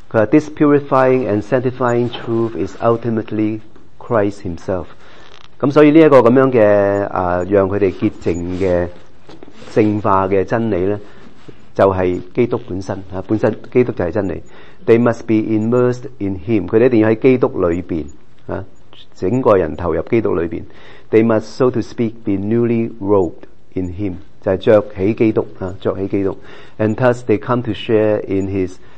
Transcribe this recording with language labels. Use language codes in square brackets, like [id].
[en] This purifying and sanctifying truth is ultimately Christ Himself. [yue] 咁所以呢一个咁样嘅让佢哋洁净嘅圣化嘅真理咧，就系、是、基督本身啊，本身基督就系真理。 [en] They must be immersed in Him. [yue] 佢哋一定要喺基督里边啊，整个人投入基督里边。 [en] They must, so to speak, be newly robed in Him. [yue] 就系着起基督啊，着起基督。 [en] And thus they come to share in His.